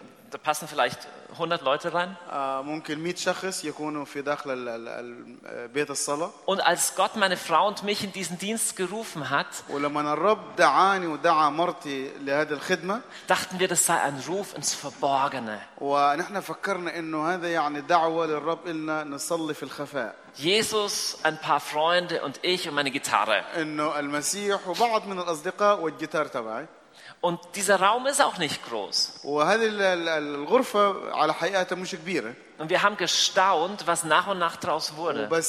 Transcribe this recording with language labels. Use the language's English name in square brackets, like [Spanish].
[German] Da passen vielleicht 100 Leute rein. [Arabic] ممكن 100 شخص يكونوا في داخل بيت الصلاة. [German] Und als Gott meine Frau und mich in diesen Dienst gerufen hat, [Arabic] ولما الرب دعاني ودعا مرتي لهذه الخدمة, [German] dachten wir, das sei ein Ruf ins Verborgene. [Arabic] ونحن فكرنا إنه هذا يعني دعوة للرب إلنا نصلي في الخفاء. [German] Jesus, ein paar Freunde und ich und meine Gitarre. [Arabic] إنه المسيح وبعض من الأصدقاء والجيتار تبعي. [German] Und dieser Raum ist auch nicht groß. Und wir haben gestaunt, was nach und nach draus wurde.